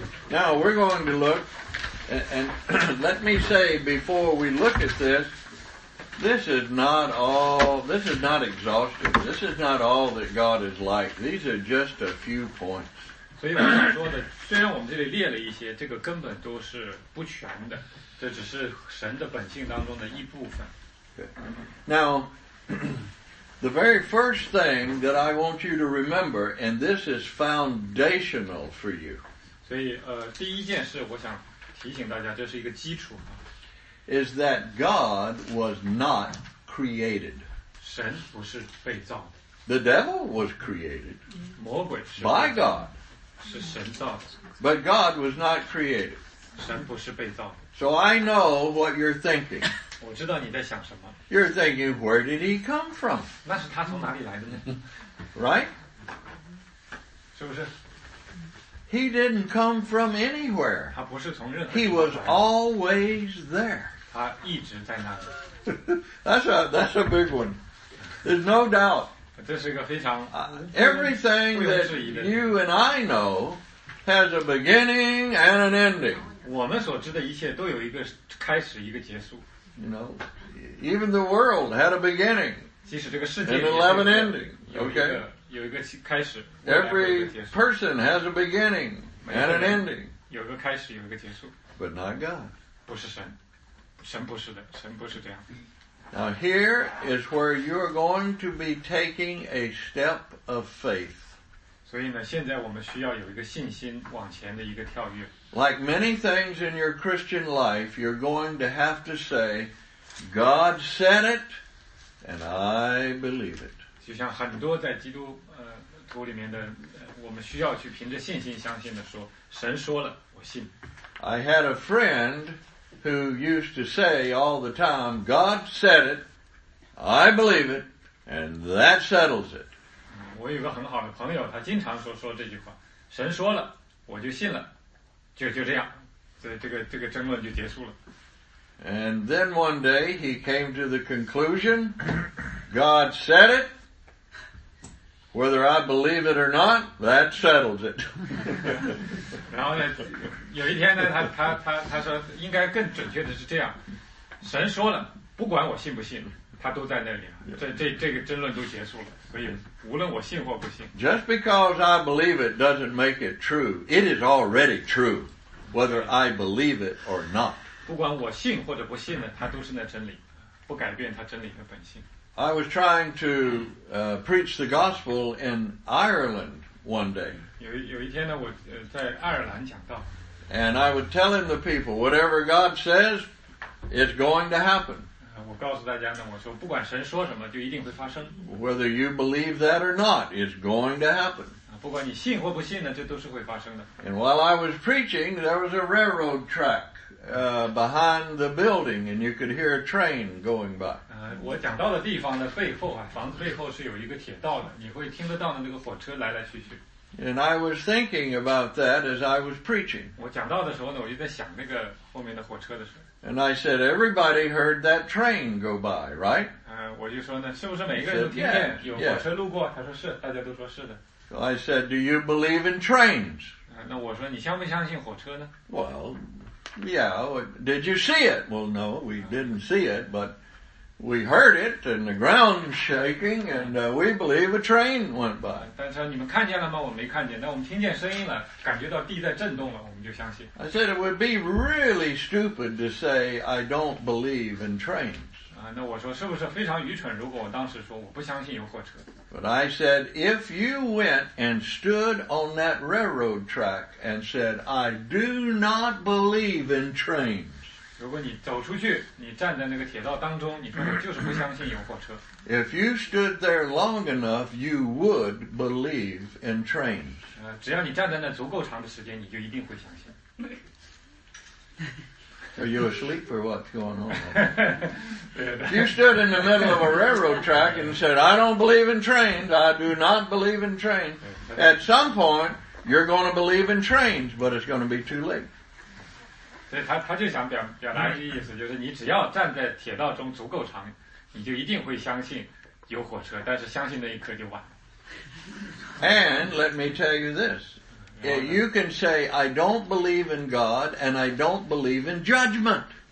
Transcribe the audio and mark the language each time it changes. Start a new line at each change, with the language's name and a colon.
English: Now we're going to look, and let me say before we look at this, this is not exhaustive. This is not all that God is like. These are just a few points.
Chinese: 所以我想说的，虽然我们这里列了一些，这个根本都是不全的，这只是神的本性当中的一部分。
English: Now, the very first thing that I want you to remember, and this is foundational for you.
Chinese: 所以第一件事我想提醒大家，这是一个基础。
English: Is that God was not created.
Chinese: 神不是被造的。
English: The devil was created.
Chinese: 魔鬼是被造的。
English: By God.
Chinese: 是神造的。
English: But God was not created.
Chinese: 神不是被造的。
English: So I know what you're thinking.
Chinese: 我知道你在想什么。
English: You're thinking, where did he come from?
Chinese: 那是他从哪里来的呢?
English: Right?
Chinese: 是不是?
English: He didn't come from anywhere.
Chinese: 他不是从任何地方。
English: He was always there.
Chinese: 他一直在那里。
English: That's a big one. There's no doubt.
Chinese: 这是一个非常
English: Everything that you and I know has a beginning and an ending.
Chinese: 我们所知的一切都有一个开始，一个结束。
English: You know, even the world had a beginning.
Chinese: 即使这个世界
English: and 11 ending. Okay.
Chinese: 有一个开始
English: Every person has a beginning and an ending.
Chinese: 有个开始有个结束
English: But not God.
Chinese: 不是神神不是的神不是这样
English: Now here is where you are going to be taking a step of faith.
Chinese: 所以呢现在我们需要有一个信心往前的一个跳跃
English: Like many things in your Christian life, you're going to have to say, God said it and I believe it.
Chinese: 就像很多在基督徒里面的我们需要去凭着信心相信的说神说了我信
English: I had a friend who used to say all the time God said it I believe it and that settles it
Chinese: 我有个很好的朋友他经常说这句话神说了我就信了就这样这个争论就结束了
English: And then one day he came to the conclusion God said itWhether I believe it or not, that settles it.
Chinese: 然后呢，有一天呢，他说应该更准确的是这样，神说了，不管我信不信，他都在那里了。这个争论都结束了。所以无论我信或不信
English: ，Just because I believe it doesn't make it true. It is already true, whether I believe it or not.
Chinese: 不管我信或者不信呢，它都是那真理，不改变它真理的本性。
English: I was trying to preach the gospel in Ireland one day.
Chinese: 有一天呢，我在爱尔兰讲道。
English: And I would tell him the people, whatever God says, it's going to happen.
Chinese: 我告诉大家呢，我说不管神说什么，就一定会发生。
English: Whether you believe that or not, it's going to happen.
Chinese: 不管你信或不信呢，这都是会发生的。
English: And while I was preaching, there was a railroad track. Behind the building, and you could hear a train going by.
Chinese: 我讲到的地方的背后啊，房子背后是有一个铁道的，你会听得到的那个火车来来去去。
English: And I was thinking about that as I was preaching.
Chinese: 我讲到的时候呢，我就在想那个后面的火车的事。
English: And I said, everybody heard that train go by, right?
Chinese: 我就说呢，是不是每一个人都听见
English: said, yeah,
Chinese: 有火车路过？ Yeah. 他说是，大家都说是的。
English: So I said, do you believe in trains?
Chinese: 那我说你相不相信火车呢
English: Well. Yeah, did you see it? Well, no, we didn't see it, but we heard it and the ground was shaking and we believe a train went by.
Chinese: 但是你们看见了吗? 我没看见, 但我们听见声音了, 感觉到地在震动了, 我们就相信。
English: I said it would be really stupid to say I don't believe in trains.
Chinese: 那我说是不是非常愚蠢如果我当时说我不相信有火车。
English: But I said, if you went and stood on that railroad track and said, I do not believe in trains.
Chinese: 如果你走出去, 你站在那个铁道当中, 你说我就是不相信有火车。
English: If you stood there long enough, you would believe in trains.
Chinese: 只要你站在那足够长的时间, 你就一定会相信。
English: Are you asleep or what's going on? If you stood in the middle of a railroad track and said, I don't believe in trains, I do not believe in trains, at some point, you're going to believe in trains, but it's going to be too late.
Chinese: 他就想表达一个意思,就是你只要站在铁道中足够长,你就一定会相信有火车,但是相信那一刻就晚了。And
English: let me tell you this. Yeah, you can say, I don't believe in God and I don't believe in judgment.